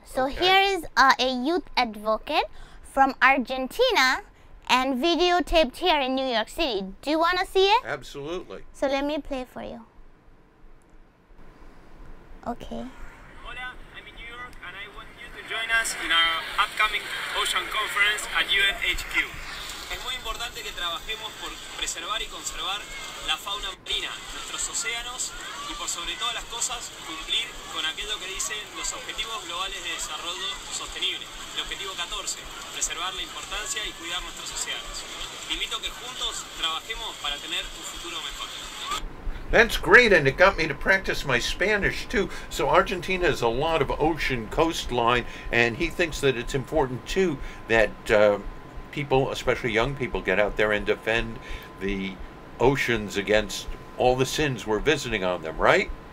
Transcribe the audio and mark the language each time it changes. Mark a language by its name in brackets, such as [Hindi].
[English] So okay, here is a youth advocate from Argentina and videotaped here in New York City. Do you want to see it? Absolutely. So let me play for you. Okay. Hola, I'm in New York and I want you to join us in our upcoming Ocean Conference at UNHQ. [Spanish] Es muy importante que trabajemos por preservar y conservar la fauna marina, nuestros océanos, y por sobre todas las cosas cumplir con aquello que dicen los Objetivos Globales de Desarrollo Sostenible, el Objetivo 14, preservar la importancia y cuidar nuestros océanos. Te invito a que juntos trabajemos para tener un futuro mejor. [English] That's great, and it got me to practice my Spanish too. So Argentina has a lot of ocean coastline, and he thinks that it's important too that people, especially young people, get out there and defend the oceans against all the sins we're visiting on them, right?